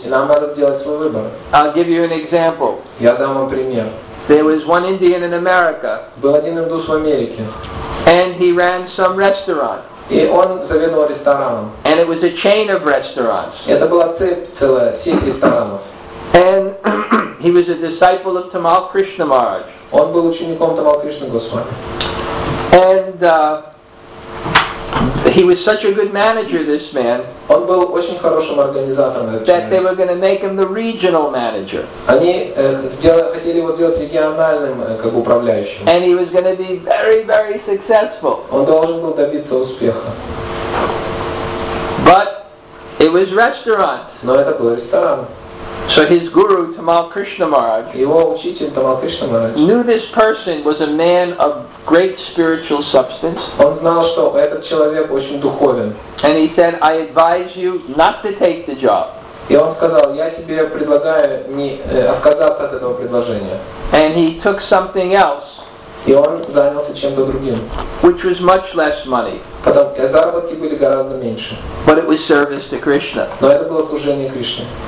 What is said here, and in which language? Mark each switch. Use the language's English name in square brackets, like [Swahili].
[Russian] И нам надо сделать свой выбор. [English] I'll give you an example. [Russian] Я дам вам пример. [English] There was one Indian in America. [Russian] Был один индус в Америке. [English] And he ran some restaurant. [Russian] И он заведовал рестораном. [English] And it was a chain of restaurants. [Russian] Это была цепь целая, сеть ресторанов. [English] And he was a disciple of Tamal Krishna Maharaj. [Russian] Он был учеником Тамал Кришна Госвами. [English] And he was such a good manager, this man, [Russian] он был очень хорошим организатором, [English] that [Russian] человек. [English] They were going to make him the regional manager. [Russian] Они хотели его сделать региональным управляющим. [English] And he was going to be very, very successful. [Russian] Он должен был добиться успеха. [English] But it was restaurant. [Russian] Но это был ресторан. [English] So his guru, Tamal Krishna Maharaj, [Russian] его учитель, Тамал Кришна Мараджа, [English] knew this person was a man of great spiritual substance. [Russian] Он знал, что этот человек очень духовен. [English] And he said, I advise you not to take the job. [Russian] И он сказал, я тебе предлагаю отказаться от этого предложения. [English] And he took something else. [Russian] И он занялся чем-то другим. [English] Which was much less money. [Russian] Потому заработки были гораздо меньше. [English] But it was service to Krishna. [Russian] Но это было служение Кришне.